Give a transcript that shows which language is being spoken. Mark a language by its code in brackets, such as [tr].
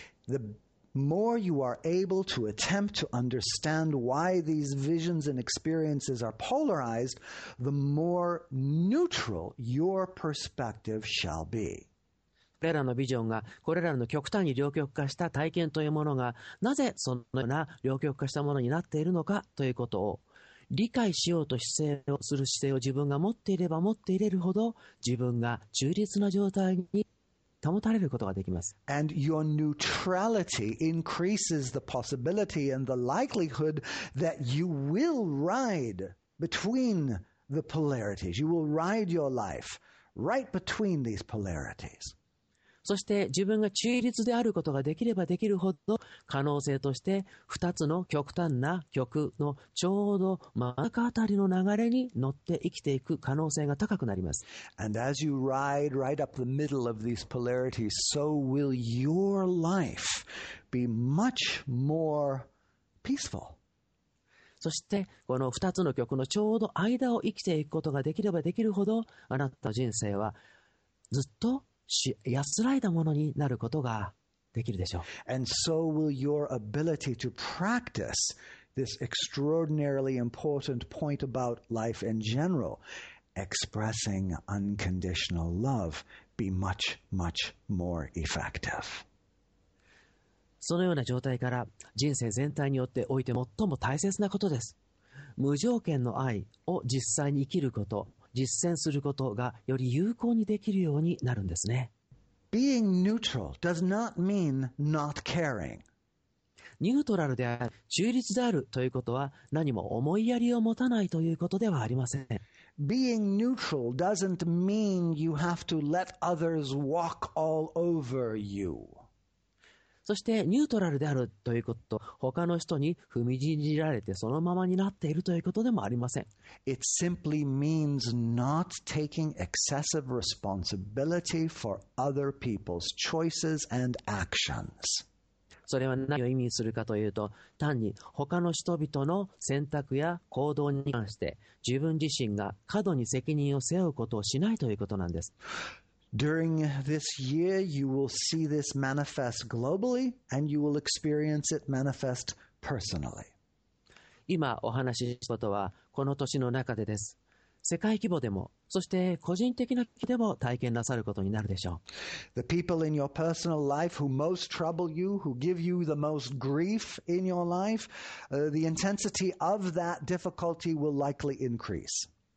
[en] The more you are able to attempt to understand why these visions and experiences are polarized, the more neutral your perspective shall be. [ja] これらのビジョンが、これらの極端に両極化した体験というものが、なぜそのような両極化したものになっているのかということを理解しようと姿勢をする姿勢を自分が持っていれば持っていれるほど、自分が中立な状態に保たれることができます。 [en] And your neutrality increases the possibility and the likelihood that you will ride between the polarities. You will ride your life right between these polarities [ja] そして自分が中立であることができればできるほど、可能性として2つの極端な極のちょうど真ん中あたりの流れに乗って生きていく可能性が高くなります。 [en] And as you ride right up the middle of these polarities, so will your life be much more peaceful. [ja] そしてこの2つの極のちょうど間を生きていくことができればできるほど、あなた人生はずっと安らいだものになることができるでしょう。 [en] And so will your ability to practice this extraordinarily important point about life in general, expressing unconditional love, be much, much more effective. [ja] そのような状態から人生全体によっておいて最も大切なことです。無条件の愛を実際に生きること、実践することがより有効にできるようになるんですね。 [en] Being neutral does not mean not caring. [ja] ニュートラルである、中立であるということは何も思いやりを持たないということではありません。 [en] Being neutral doesn't mean you have to let others walk all over you. [ja] そしてニュートラルであるということ、他の人に踏みにじられてそのままになっているということでもありません。 [en] It simply means not taking excessive responsibility for other people's choices and actions. [ja] それは何を意味するかというと、単に他の人々の選択や行動に関して、自分自身が過度に責任を背負うことをしないということなんです。 [en] During this year, you will see this manifest globally, and you will experience it manifest personally. [ja] 今お話ししたことはこの年の中でです。世界規模でも、そして個人的な規模でも体験なさることになるでしょう。 [en] The people in your personal life who most trouble you, who give you the most grief in your life, the intensity of that difficulty will likely increase.